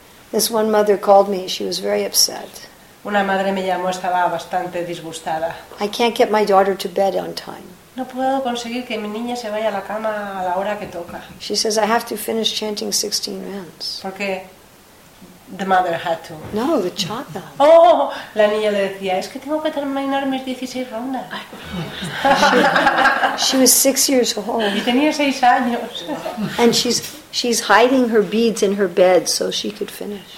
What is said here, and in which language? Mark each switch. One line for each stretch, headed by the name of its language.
English: This one mother called me, she was very upset.
Spanish: Una madre me llamó, estaba bastante disgustada.
English: I can't get my daughter to bed on time.
Spanish: No puedo conseguir que mi niña se vaya a la cama a la hora que toca.
English: She says I have to finish chanting 16 rounds.
Spanish: Porque
English: the mother had to. No, the child.
Spanish: Oh, la niña le decía, es que tengo que terminar mis 16 rondas.
English: She was 6 years old.
Spanish: Y tenía 6 años.
English: And she's hiding her beads in her bed so she could finish.